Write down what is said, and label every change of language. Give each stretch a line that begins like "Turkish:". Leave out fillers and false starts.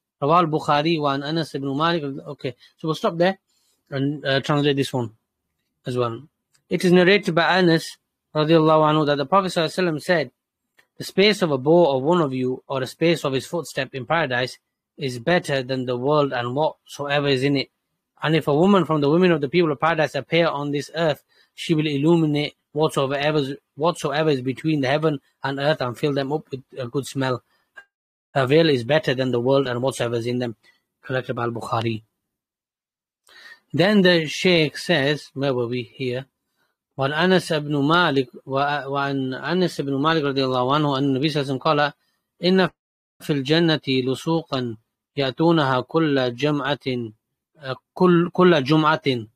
Arabic: رواه البخاري وعن أنس بن مالك.
English: Okay, so we'll stop there. And translate this one as well. It is narrated by Anas radiallahu anhu, that the Prophet said, the space of a bow of one of you or the space of his footstep in paradise is better than the world and whatsoever is in it. And if a woman from the women of the people of paradise appear on this earth, she will illuminate whatsoever is between the heaven and earth and fill them up with a good smell. Her veil is better than the world and whatsoever is in them. Collected by Al-Bukhari. Then the Shaykh says, where were we here?
Arabic: وعن أنس بن مالك وعن أنس بن مالك رضي الله عنه أن النبي صلى الله عليه وسلم قال إن في الجنة لسوقا يأتونها كل جمعة